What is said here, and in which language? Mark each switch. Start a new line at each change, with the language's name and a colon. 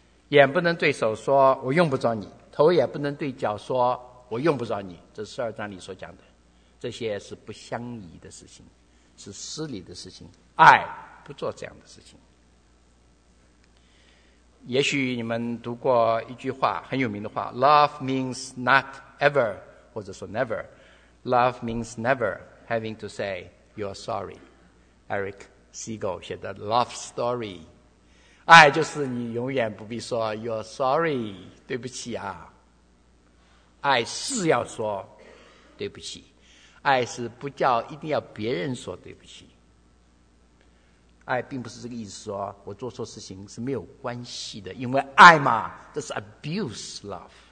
Chinese: 眼不能对手说我用不着你，头也不能对脚说我用不着你，这是十二章里所讲的，这些是不相宜的事情，是失礼的事情，爱不做这样的事情。也许你们读过一句话，很有名的话， Love means not ever，或者说 never。
English: Love means never having to say you're sorry， Eric Segal 写的 Love Story。
Chinese: 爱就是你永远不必说 you're sorry，对不起啊。爱是要说对不起，爱是不叫一定要别人说对不起。爱并不是这个意思，说我做错事情是没有关系的，因为爱嘛，这是 abuse love。